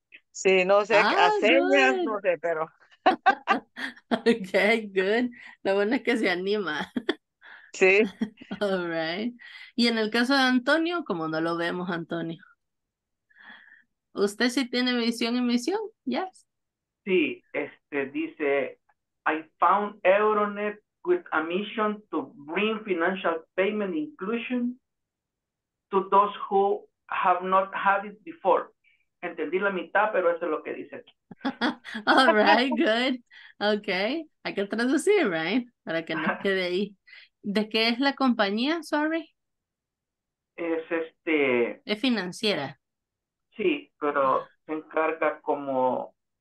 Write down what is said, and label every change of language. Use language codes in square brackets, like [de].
[es] Sí, no sé, a señas, no sé, pero... [en] Okay, good. [es] Lo bueno es que se anima. Sí. [en] All right. [es] Y en el caso de Antonio, como no lo vemos, Antonio, ¿usted sí tiene visión y misión? [en] Yes. [es] Sí, este dice, [en] I found Euronet with a mission to bring financial payment inclusion to those who have not had it before. [es] Entendí la mitad, pero eso es lo que dice aquí. [en] All right, good. Okay, [es] hay que traducir, [en] right? [es] Para que no quede ahí. ¿De qué es la compañía? Sorry. Es este. Es financiera. Sí, pero se encarga como.